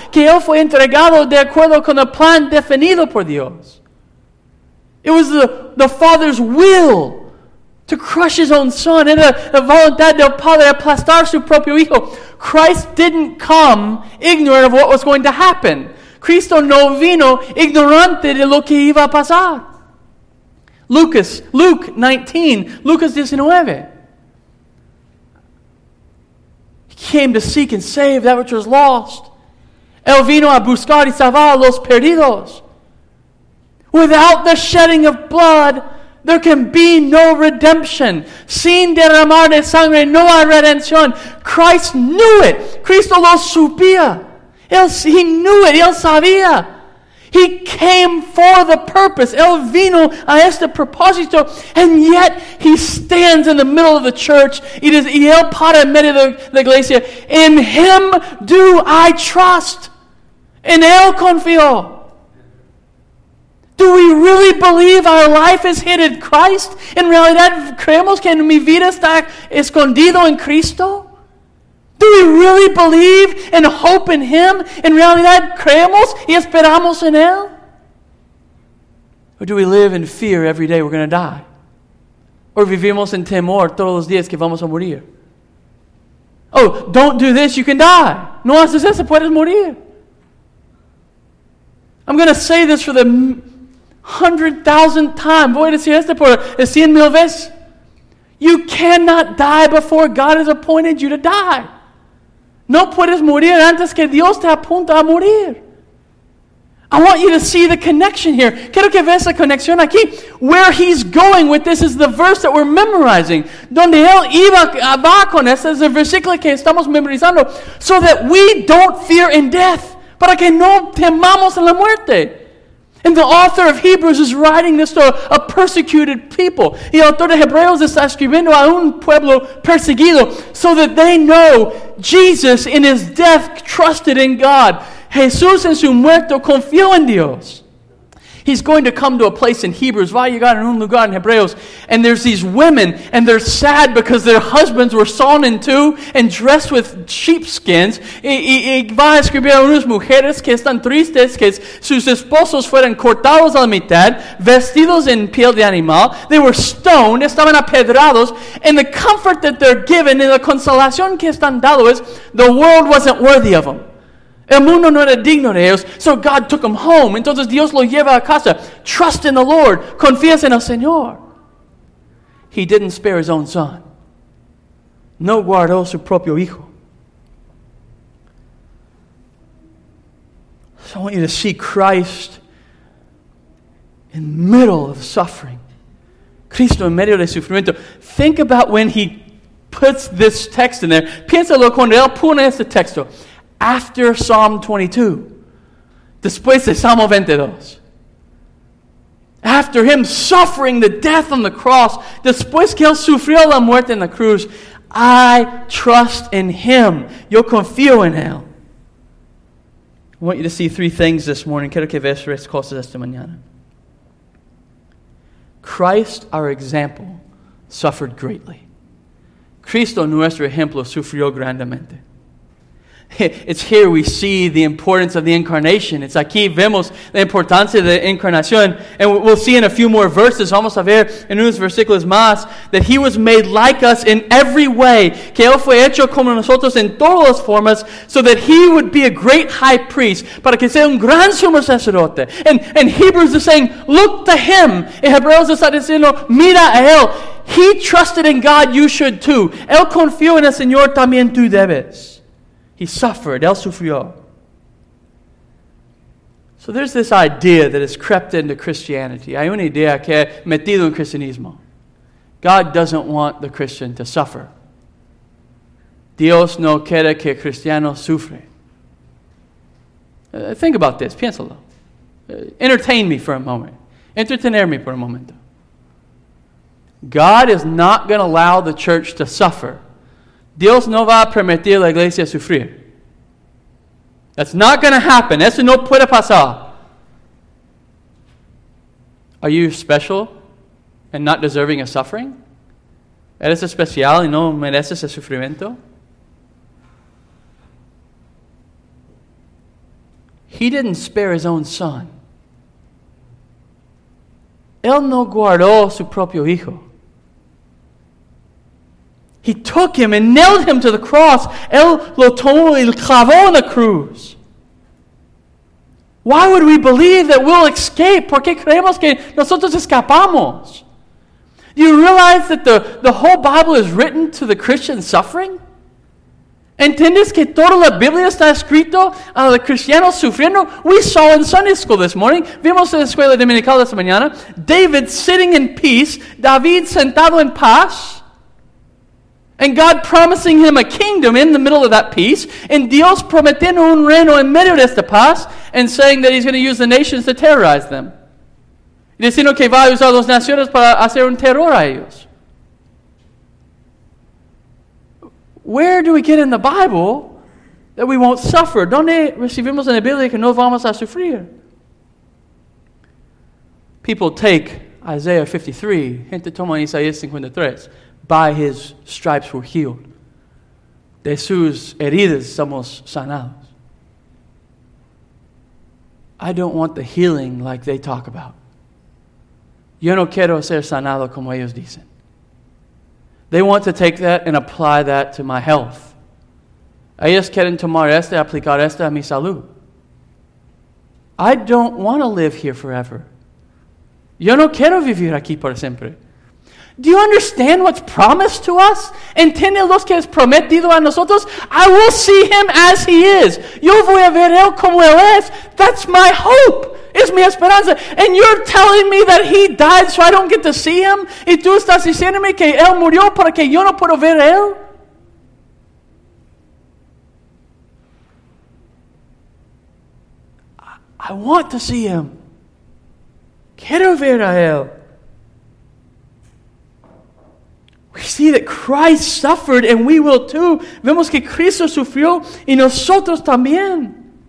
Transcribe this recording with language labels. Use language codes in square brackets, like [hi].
[es] Que él fue entregado de acuerdo con el plan definido por Dios. [en] It was the Father's will to crush his own son. [es] Era la voluntad del Padre aplastar su propio hijo. [en] Christ didn't come ignorant of what was going to happen. [es] Cristo no vino ignorante de lo que iba a pasar. Lucas 19. [en] He came to seek and save that which was lost. [es] Él vino a buscar y salvar a los perdidos. [en] Without the shedding of blood, there can be no redemption. [es] Sin derramar de sangre, no hay redención. [en] Christ knew it. [es] Cristo lo supía. [en] He knew it. [es] Él sabía. [en] He came for the purpose. [es] Él vino a este propósito. [en] And yet, he stands in the middle of the church. [es] Y él para en medio de la iglesia. [en] In him do I trust. [es] En él confío. [en] Do we really believe our life is hidden in Christ? [es] En realidad, ¿creemos que mi vida está escondido en Cristo? [en] Do we really believe and hope in Him? [es] En realidad, ¿creemos y esperamos en Él? [en] Or do we live in fear every day we're going to die? [es] Or vivimos en temor todos los días que vamos a morir? [en] Oh, don't do this, you can die. [es] No haces eso, puedes morir. [en] I'm going to say this for the 100,000th time. [es] Voy a decir esto por 100,000 veces. [en] You cannot die before God has appointed you to die. [es] No puedes morir antes que Dios te apunta a morir. [en] I want you to see the connection here. [es] Quiero que veas la conexión aquí. [en] Where he's going with this is the verse that we're memorizing. [es] Donde él iba va con esto es el versículo que estamos memorizando. [en] So that we don't fear in death. [es] Para que no temamos en la muerte. [en] And the author of Hebrews is writing this to a persecuted people. [es] Y el autor de Hebreos está escribiendo a un pueblo perseguido [en] so that they know Jesus in his death trusted in God. [es] Jesús en su muerto confió en Dios. [en] He's going to come to a place in Hebrews. [es] Va a llegar en un lugar en Hebreos. [en] And there's these women and they're sad because their husbands were sawn in two and dressed with sheepskins. [es] Y va a escribir a unas mujeres que están tristes que sus esposos fueron cortados a la mitad, vestidos en piel de animal. [en] They were stoned, [es] estaban apedrados. [en] And the comfort that they're given [es] y la consolación que están dado es [en] the world wasn't worthy of them. [es] El mundo no era digno de ellos, [en] so God took them home. [es] Entonces Dios lo lleva a casa. [en] Trust in the Lord. [es] Confías en el Señor. [en] He didn't spare his own son. [es] No guardó su propio hijo. [en] So I want you to see Christ in the middle of suffering. [es] Cristo en medio de sufrimiento. [en] Think about when he puts this text in there. [es] Piénsalo cuando él pone este texto. [en] After Psalm 22. [es] Después de Salmo 22. [en] After him suffering the death on the cross. [es] Después que él sufrió la muerte en la cruz. [en] I trust in him. [es] Yo confío en él. [en] I want you to see three things this morning. [es] Quiero que veas tres cosas esta mañana. [en] Christ, our example, suffered greatly. [es] Cristo, nuestro ejemplo, sufrió grandemente. [en] It's here we see the importance of the incarnation. [es] It's aquí vemos la importancia de la encarnación. [en] And we'll see in a few more verses, [es] vamos a ver en unos versículos más, [en] that he was made like us in every way, [es] que él fue hecho como nosotros en todas las formas, [en] so that he would be a great high priest, [es] para que sea un gran sumo sacerdote. [en] And Hebrews is saying, look to him. [es] En Hebreos está diciendo, mira a él. [en] He trusted in God, you should too. [es] Él confió en el Señor, también tú debes. [en] He suffered. [es] Él sufrió. [en] So there's this idea that has crept into Christianity. [es] Hay una idea que ha metido en cristianismo. [en] God doesn't want the Christian to suffer. [es] Dios no quiere que el cristiano sufra. [en] Think about this. [es] Piénsalo. [en] Entertain me for a moment. [es] Entretenerme por un momento. [en] God is not going to allow the church to suffer. [es] Dios no va a permitir a la iglesia sufrir. [en] That's not going to happen. [es] Eso no puede pasar. [en] Are you special and not deserving of suffering? [es] ¿Eres especial y no mereces el sufrimiento? [en] He didn't spare his own son. [es] Él no guardó su propio hijo. [en] He took him and nailed him to the cross. [es] Él lo tomó y lo clavó en la cruz. [en] Why would we believe that we'll escape? [es] ¿Por qué creemos que nosotros escapamos? [en] Do you realize that the whole Bible is written to the Christian suffering? [es] ¿Entiendes que toda la Biblia está escrito a los cristianos sufriendo? [en] We saw in Sunday school this morning, [es] vimos en la escuela dominical esta mañana, [en] David sitting in peace, [es] David sentado en paz, [en] and God promising him a kingdom in the middle of that peace, and [es] Dios prometiendo un reino en medio de esta paz, [en] and saying that he's going to use the nations to terrorize them. [es] Y diciendo que va a usar las naciones para hacer un terror a ellos. [en] Where do we get in the Bible that we won't suffer? [es] ¿Dónde recibimos en la Biblia que no vamos a sufrir? [en] People take Isaiah 53, [es] gente toma Isaías 53, [en] by his stripes were healed. [es] De sus heridas somos sanados. [en] I don't want the healing like they talk about. [es] Yo no quiero ser sanado como ellos dicen. [en] They want to take that and apply that to my health. [es] Ellos quieren tomar este, aplicar este a mi salud. [en] I don't want to live here forever. [es] Yo no quiero vivir aquí por siempre. [en] Do you understand what's promised to us? [es] ¿Entiende lo que es prometido a nosotros? [en] I will see him as he is. [es] Yo voy a ver él como él es. [en] That's my hope. [es] Es mi esperanza. [en] And you're telling me that he died so I don't get to see him? [es] ¿Y tú estás diciéndome que él murió para que yo no puedo ver él? [en] I want to see him. [es] Quiero ver a él. [en] We see that Christ suffered and we will too. [es] Vemos que Cristo sufrió y nosotros también.